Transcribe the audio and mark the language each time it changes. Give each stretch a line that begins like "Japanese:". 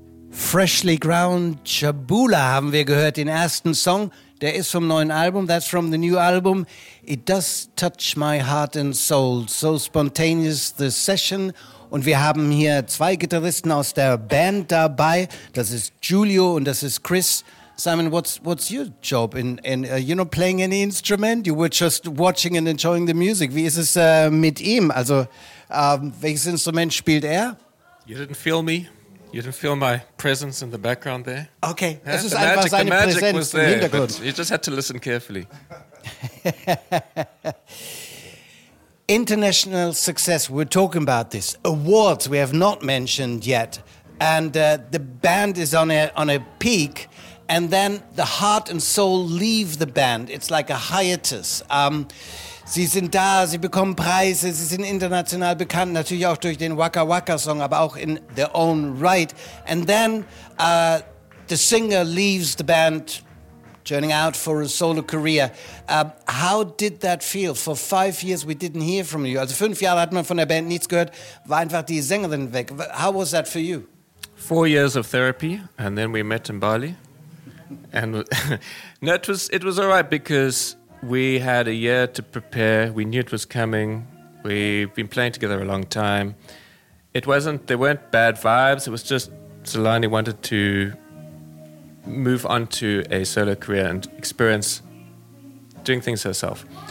German: Freshly Ground Jabula haben wir gehört, den ersten Song. Der ist vom neuen Album,
English: that's from the new album. It does touch my heart and soul. So spontaneous the session.
German: Und wir haben hier zwei Gitarristen aus der Band dabei. Das ist Giulio und das ist Chris.
English: Simon, what's your job in playing any instrument? You were just watching and enjoying the music.
German: Wie ist es mit ihm? Also, welches Instrument spielt er?
English: You didn't feel me. You didn't feel my presence in the background there.
German: Okay, yeah, das ist einfach seine Präsenz im Hintergrund.
English: You just had to listen carefully. International success, we're talking about this. Awards we have not mentioned yet. And the band is on a peak. And then the heart and soul leave the band. It's like a hiatus.
German: Sie sind da, sie bekommen Preise, sie sind international bekannt, natürlich auch durch den Waka Waka Song, aber auch
English: in their own right. And then the singer leaves the band, turning out for a solo career. How did that feel? For 5 years we didn't hear from you.
German: Also 5 Jahre hat man von der Band nichts gehört, war einfach die Sängerin weg.
English: How was that for you? 4 years of therapy and then we met in Bali. And no, it was all right because we had a year to prepare. We knew it was coming. We've been playing together a long time. There weren't bad vibes. It was just Zelani wanted to move on to a solo career and experience doing things herself.